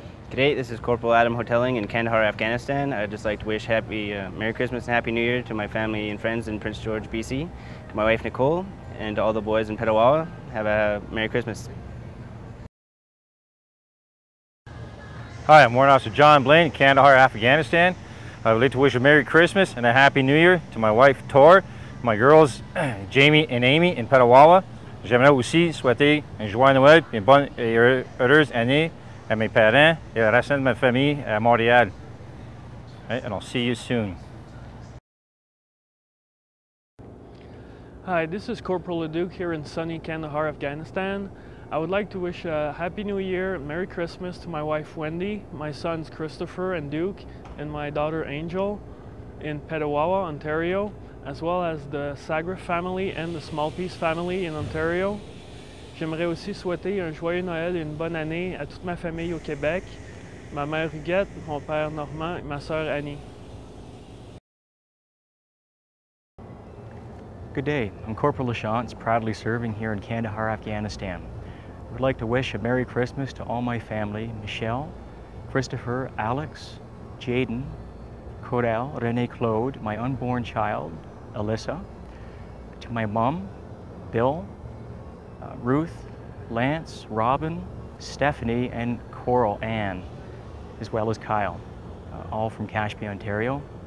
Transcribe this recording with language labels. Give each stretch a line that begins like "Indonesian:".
English: G'day, this is Corporal Adam Hotelling in Kandahar, Afghanistan. I'd just like to wish Merry Christmas and Happy New Year to my family and friends in Prince George, BC, to my wife Nicole, and to all the boys in Petawawa. Have a Merry Christmas. Hi, I'm Warrant Officer John Blaine in Kandahar, Afghanistan. I would like to wish a Merry Christmas and a Happy New Year to my wife Tor, my girls Jamie and Amy in Petawawa.
French: J'aimerais aussi souhaiter un joyeux Noël et une bonne heureuse année à mes parents et le reste de ma famille à Montréal.
English: Right, and I'll see you soon. Hi, this is Corporal Leduc here in sunny Kandahar, Afghanistan. I would like to wish a Happy New Year and Merry Christmas to my wife Wendy, my sons Christopher and Duke, and my daughter Angel in Petawawa, Ontario, as well as the Sagra family and the Small Peace family in Ontario.
French: J'aimerais aussi souhaiter un joyeux Noël et une bonne année à toute ma famille au Québec, ma mère Huguette, mon père Normand et ma sœur Annie.
English: Good day. I'm Corporal Lachance, proudly serving here in Kandahar, Afghanistan. I would like to wish a Merry Christmas to all my family, Michelle, Christopher, Alex, Jaden, Corel, René Claude, my unborn child, Alyssa, to my mom, Bill, Ruth, Lance, Robin, Stephanie, and Coral Ann, as well as Kyle, all from Cashby, Ontario.